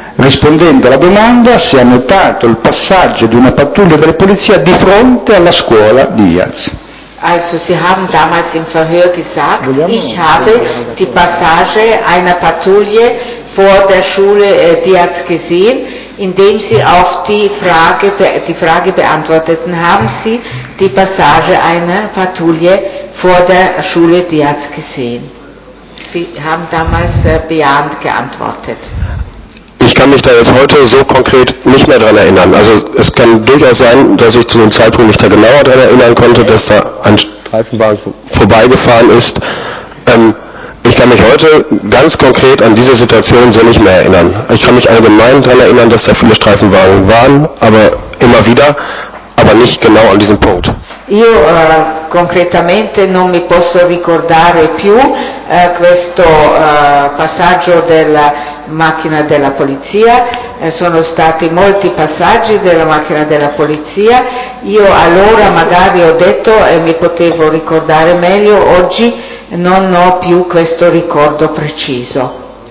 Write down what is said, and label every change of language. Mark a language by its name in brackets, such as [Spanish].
[Italian] Rispondendo alla domanda si è notato il passaggio di una pattuglia della polizia di fronte alla scuola Diaz. [German] Also Sie haben damals im Verhör gesagt, ich habe die Passage einer Patrouille vor der Schule Diaz gesehen, indem Sie auf die Frage beantworteten, haben Sie die Passage einer Patrouille vor der Schule Diaz gesehen? Sie haben damals bejahend geantwortet. Ich kann mich da jetzt heute so konkret nicht mehr dran erinnern. Also es kann durchaus sein, dass ich zu dem Zeitpunkt nicht da genauer dran erinnern konnte, dass da ein Streifenwagen vorbeigefahren ist. Ich kann mich heute ganz konkret an diese Situation so nicht mehr erinnern. Ich kann mich allgemein daran erinnern, dass da viele Streifenwagen waren, aber immer wieder, aber nicht genau an diesem Punkt. [Italian] Io concretamente non mi posso ricordare più questo passaggio della macchina della polizia, sono stati molti passaggi della macchina della polizia, io allora magari ho detto e mi potevo ricordare meglio, oggi non ho più questo ricordo preciso.